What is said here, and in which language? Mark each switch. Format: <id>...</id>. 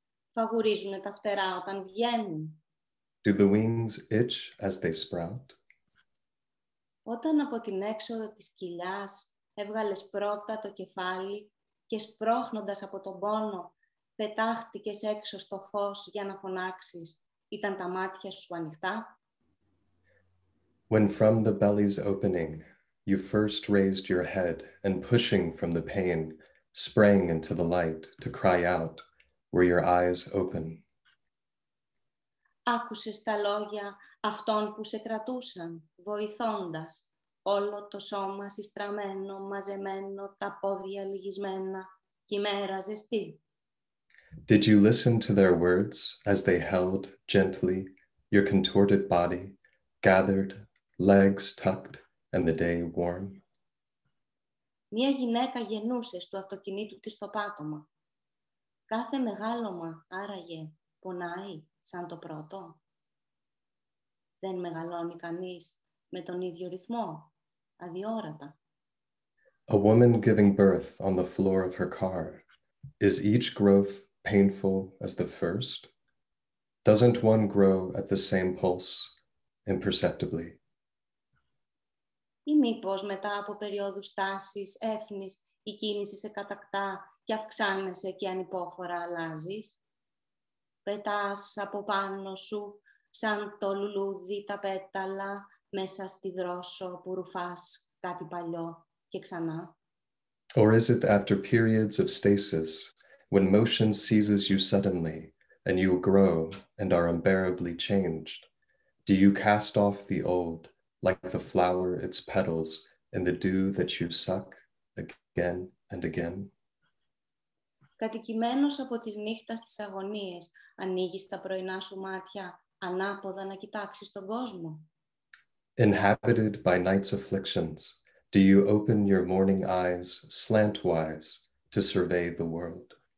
<el>Φαγουρίζουν τα φτερά όταν βγαίνουν.</el> <en>Do the wings itch as they sprout?</en> <el>Όταν από την έξοδο της κοιλιάς έβγαλες πρώτα το κεφάλι και σπρώχνοντας από τον πόνο πετάχτηκες έξω στο φως για να φωνάξεις, ήταν τα μάτια σου ανοιχτά?</el> <en>When from the belly's opening you first raised your head and pushing from the pain sprang into the light to cry out, were your eyes open?</en> <el>Άκουσες τα λόγια αυτών που σε κρατούσαν, βοηθώντας, όλο το σώμα συστραμμένο, μαζεμένο, τα πόδια λυγισμένα, κι η μέρα ζεστή.</el> <en>Did you listen to their words as they held gently your contorted body, gathered, legs tucked, and the day warm?</en> <el>Μια γυναίκα γεννούσε στο αυτοκινήτου της στο πάτωμα. Κάθε μεγάλωμα άραγε πονάει σαν το πρώτο. Δεν μεγαλώνει κανείς με τον ίδιο ρυθμό, αδιόρατα.</el> <en>A woman giving birth on the floor of her car, is each growth painful as the first? Doesn't one grow at the same pulse, imperceptibly?</en> <el>Ή μήπως μετά από περίοδου στάσης, έφνης, η κίνηση σε κατακτά και αυξάνεσαι και ανυπόφορα αλλάζεις. Πετάς από πάνω σου σαν το λουλούδι τα πέταλα μέσα στη δρόσο που ρουφάς κάτι παλιό και ξανά.</el> <en>Or is it after periods of stasis, when motion seizes you suddenly and you grow and are unbearably changed, do you cast off the old, like the flower, its petals, and the dew that you suck again and again?</en> <el>Κατοικημένος από τις νύχτας της αγωνίας, ανοίγεις τα πρωινά σου μάτια ανάποδα να κοιτάξεις τον κόσμο.</el> <en>Inhabited by night's afflictions, do you open your morning eyes slantwise to survey the world?</en>